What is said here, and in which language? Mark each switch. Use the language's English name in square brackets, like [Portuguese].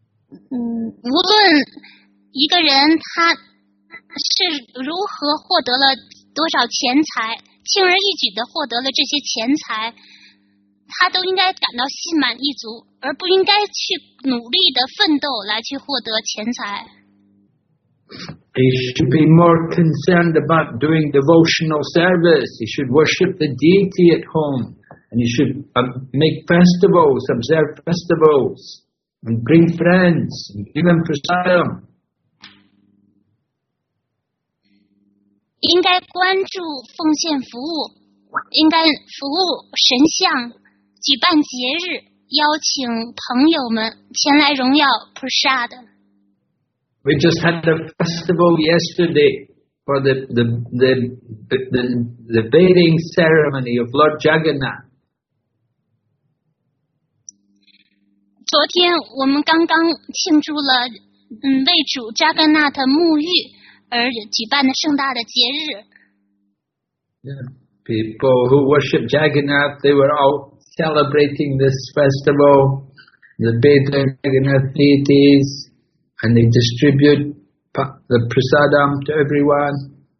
[Chinese] 无论一个人他是如何获得了多少钱财，轻而易举地获得了这些钱财。他都应该感到心满意足，而不应该去努力的奋斗来去获得钱财。 [English] He should be more concerned about doing devotional service. He should worship the deity at home, and he should make festivals, observe festivals, and bring friends, and give them prasadam. [Chinese] 应该关注奉献服务，应该服务神像。举办节日，邀请朋友们前来荣耀 Prasad. [English] We just had a festival yesterday for the bathing ceremony of Lord Jagannath. [Chinese] 昨天我们刚刚庆祝了为主扎格纳特沐浴而举办的盛大的节日。 [English] Yeah, people who worship Jagannath, they were all celebrating this festival, the Beta Jagannath deities, and they distribute the prasadam to everyone.